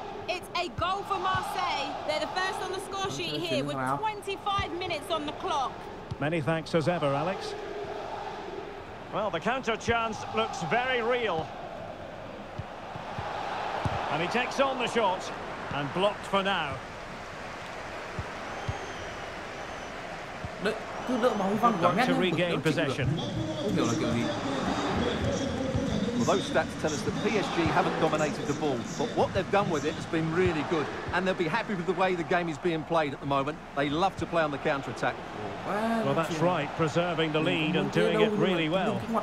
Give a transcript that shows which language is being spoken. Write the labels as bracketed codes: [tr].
[en] It's a goal for Marseille. They're the first on the score sheet here with 25 minutes on the clock. Many thanks as ever, Alex. Well, the counter chance looks very real. And he takes on the shot and blocked for now. [vi] Đợi, cứ đợi bóng văng vào mét nhé, không kiểu chịu được. Không hiểu là kiểu gì. [en] Well, those stats tell us that PSG haven't dominated the ball, but what they've done with it has been really good. And they'll be happy with the way the game is being played at the moment. They love to play on the counter-attack. Well, that's right, preserving the lead and doing it really well.